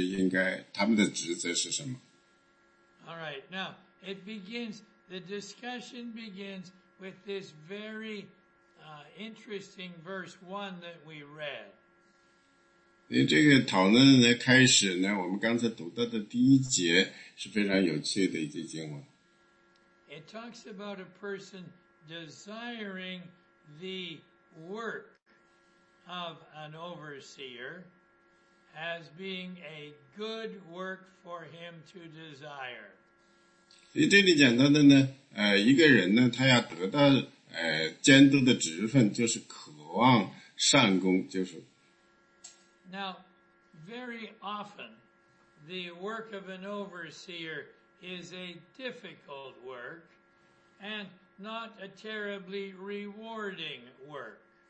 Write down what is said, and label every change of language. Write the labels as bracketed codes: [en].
[zh] 现在的问题就是来到监督层，监督层就是说些长老和那些教会的那些领导人，他们应该是应该，他们的职责是什么？ [en] All right, now it begins, the discussion begins with this very interesting verse 1 that we read. [zh] 这个讨论的开始呢，我们刚才读到的第一节是非常有趣的一节经文。 [en] It talks about a person desiring the work of an overseer as being a good work for him to desire. [zh] 所以这里讲到的呢，一个人呢，他要得到监督的职分，就是渴望善功，就是。 [en] Now, very often, the work of an overseer is a difficult work, and not a terribly rewarding work.